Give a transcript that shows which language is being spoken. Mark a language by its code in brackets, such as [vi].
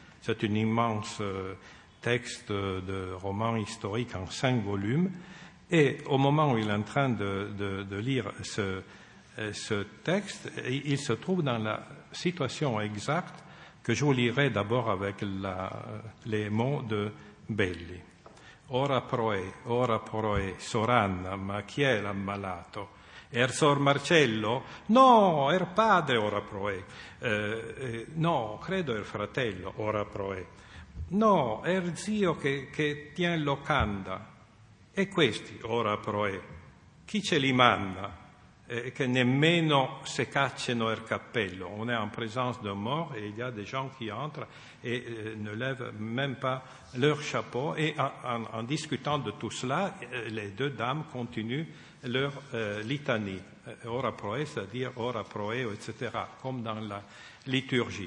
[fr] C'est un immense texte de roman historique en 5 volumes. Et au moment où il est en train de lire ce texte, il se trouve dans la situation exacte que je vous lirai d'abord avec les mots de Belli. [it] Ora proe, soranna, ma chi è l'ammalato? Er sor Marcello? No, er padre, ora proe. No, credo er fratello, ora proe. No, er zio che tien locanda. E questi, ora proe, chi ce li manda? Che nemmeno se cacciano il cappello. [fr] On est en présence de mort et il y a des gens qui entrent et ne lèvent même pas leur chapeau. Et en discutant de tout cela, les deux dames continuent leur litanie. Ora proe, c'est-à-dire [it] ora proe, [fr] etc., comme dans la liturgie.